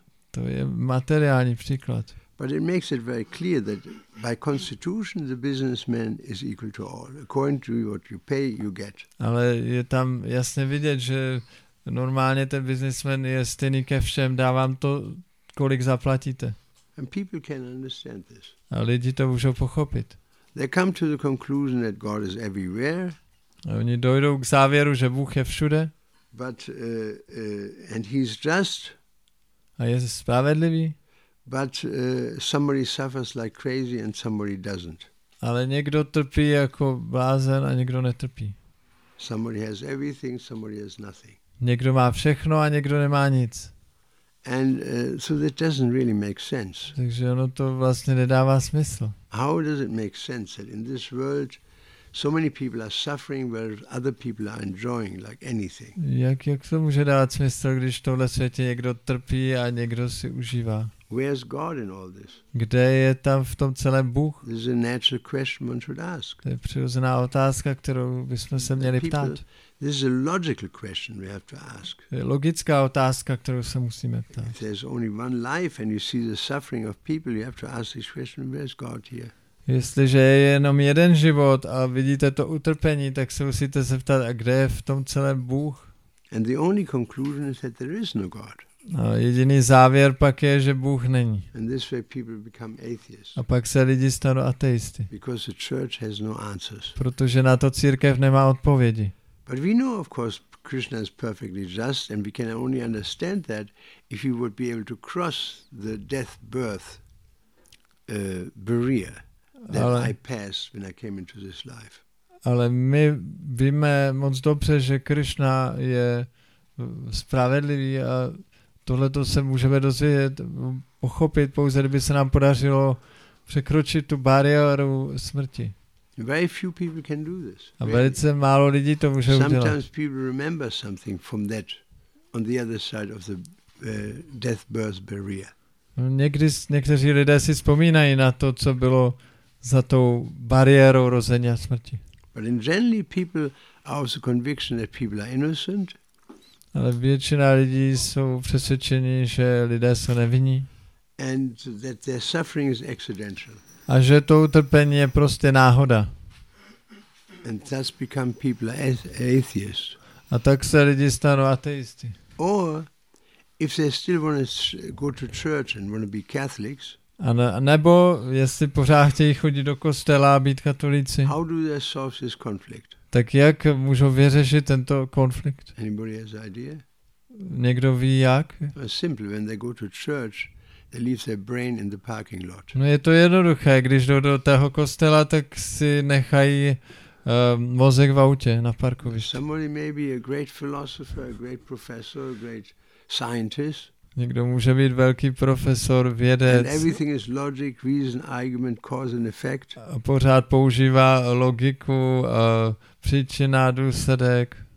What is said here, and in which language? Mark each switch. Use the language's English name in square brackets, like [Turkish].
[Czech] To je materiální příklad. [English] But it makes it very clear that by constitution the businessman is equal to all. According to what you pay, you get. [Czech] Ale je tam jasně vidět, že normálně ten businessman je stejný ke všem, dávám to, kolik zaplatíte. [English] And people can understand this. [Czech] A lidi to můžou pochopit. [English] They come to the conclusion that God is everywhere. [Czech] A oni dojdou k závěru, že Bůh je všude. [English] But and he's just. [Czech] A je spravedlivý. [English] But somebody suffers like crazy and somebody doesn't. [Czech] Ale někdo trpí jako blázen a někdo netrpí. [English] Somebody has everything, somebody has nothing. [Czech] Někdo má všechno a někdo nemá nic. [English] And so that doesn't really make sense. [Czech] Takže ono to vlastně nedává smysl. [English] How does it make sense that in this world so many people are suffering while other people are enjoying like anything? [Czech] Jak to může dávat smysl, když v tomhle světě někdo trpí a někdo si užívá? [English] Where's God in all this? [Czech] Kde je tam v tom celém Bůh? [English] This is a natural question one should ask. [Czech] To je přirozená otázka, kterou bychom se měli ptát. [English] This is a logical question we have to ask. [Czech] Je logická otázka, kterou se musíme ptát. [English] If there's only one life and you see the suffering of people, you have to ask this question, where's God here? [Czech] Jestliže je jenom jeden život a vidíte to utrpení, tak se musíte zeptat, a kde je v tom celém Bůh? [English] And the only conclusion is that there is no God. [Czech] A jediný závěr pak je, že Bůh není. [English] And this way people become atheists. [Czech] A pak se lidi stanou ateisty. [English] Because the church has no answers. [Czech] Protože na to církev nemá odpovědi. [English] But we know, of course, Krishna is perfectly just, and we can only understand that if we would be able to cross the death-birth barrier that I passed when I came into this life. [Czech] Ale my víme moc dobře, že Krishna je spravedlivý a tohle to se můžeme dozvědět, pochopit pouze, kdyby se nám podařilo překročit tu bariéru smrti. [English] Very few people can do this. [Czech] A velice málo lidí to může udělat. [English] Sometimes people remember something from that on the other side of the death-birth barrier. [Czech] Někteří lidé si vzpomínají na to, co bylo za tou bariérou rození a smrti. [English] But in generally people are also conviction that people are innocent. [Czech] Ale většina lidí jsou přesvědčeni, že lidé jsou nevinní. [English] And that their suffering is accidental. [Czech] A že to utrpení je prostě náhoda. [English] And thus become people atheists. [Czech] A tak se lidi stanou ateisty. [English] Or if they still want to go to church and want to be Catholics. [Czech] A nebo jestli pořád chtějí chodit do kostela a být katolíci. [English] How do they solve this conflict? [Czech] Tak jak můžou vyřešit tento konflikt? [English] Anybody has idea? [Czech] Někdo ví jak? [English] Simple, when they go to church, they leave their brain in the parking lot. [Czech] No je to jednoduché, když jdou do toho kostela, tak si nechají mozek v autě na parkovišti. [English] Somebody may be a great philosopher, a great professor, a great scientist. [Czech] Někdo může být velký profesor, vědec. [English] And everything is logic, reason, argument, cause and effect. [Czech] A pořád používá logiku, příčina, důsledek.